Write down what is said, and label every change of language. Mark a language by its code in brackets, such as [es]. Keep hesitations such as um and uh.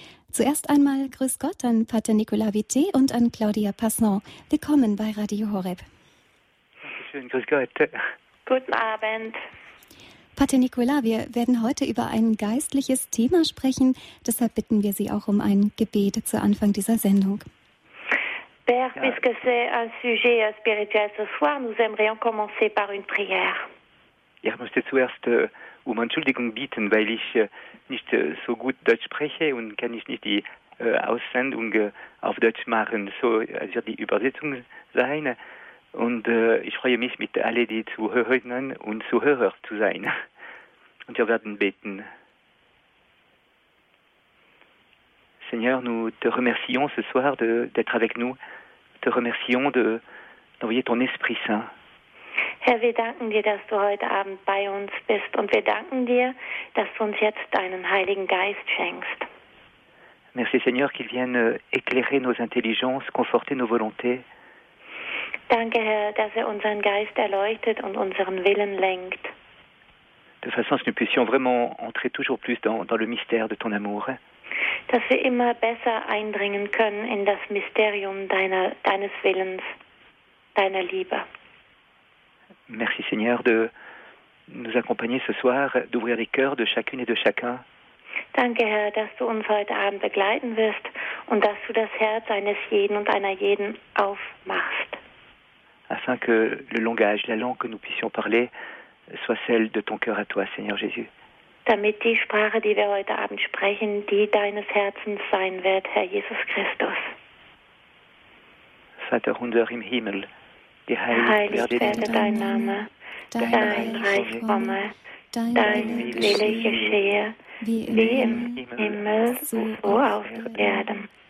[de] Zuerst einmal Grüß Gott an Pater Nicolas Vité und an Claudia Passant. Willkommen bei Radio Horeb. Dankeschön, Grüß Gott. Guten Abend. Pater Nicola, wir werden heute über ein geistliches Thema sprechen. Deshalb bitten wir Sie auch um ein Gebet zu Anfang dieser Sendung. [fr] Père, ja. puisque c'est un sujet spirituel ce soir, nous aimerions commencer par une prière. [de] Ich möchte zuerst äh, um Entschuldigung bieten, weil ich äh, nicht äh, so gut Deutsch spreche und kann ich nicht die Aussendung auf Deutsch machen. So also die Übersetzung sein. Und äh, ich freue mich, mit allen die Zuhörerinnen und Zuhörer zu sein. Und wir werden beten. [fr] Seigneur, nous te remercions ce soir d'être avec nous. Te remercions d'envoyer de, ton Esprit Saint. [de] Herr, wir danken dir, dass du heute Abend bei uns bist und wir danken dir, dass du uns jetzt deinen Heiligen Geist schenkst. [fr] Merci Seigneur qu'il vienne éclairer nos intelligences, conforter nos volontés. [de] Danke, Herr, dass er unseren Geist erleuchtet und unseren Willen lenkt. [fr] De façon à ce que nous puissions vraiment entrer toujours plus dans, dans le mystère de ton amour. [de] Dass wir immer besser eindringen können in das Mysterium deiner, deines Willens, deiner Liebe. [fr] Merci Seigneur de nous accompagner ce soir, d'ouvrir les cœurs de chacune et de chacun. [de] Danke, Herr, dass du uns heute Abend begleiten wirst und dass du das Herz eines jeden und einer jeden aufmachst. [fr] afin que le langage, la langue que nous puissions parler soit celle de ton cœur à toi, Seigneur Jésus. [de] Damit die Sprache, die wir heute Abend sprechen, die deines Herzens sein wird, Herr Jesus Christus. Vater unser im Himmel, geheiligt werde dein Name, dein Reich komme, dein Wille geschehe, wie im Himmel, so auf Erden.